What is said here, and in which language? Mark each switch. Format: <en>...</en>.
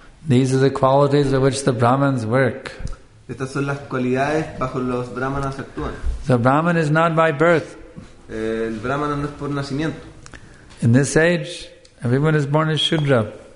<en>These are the qualities of which the Brahmins work.</en> <es>Estas son las cualidades bajo los Brahmanas actúan.</es> <en>The Brahman is not by birth.</en> <es>El Brahmana no es por nacimiento.</es> <en>In this age, everyone is born as Shudra.</en>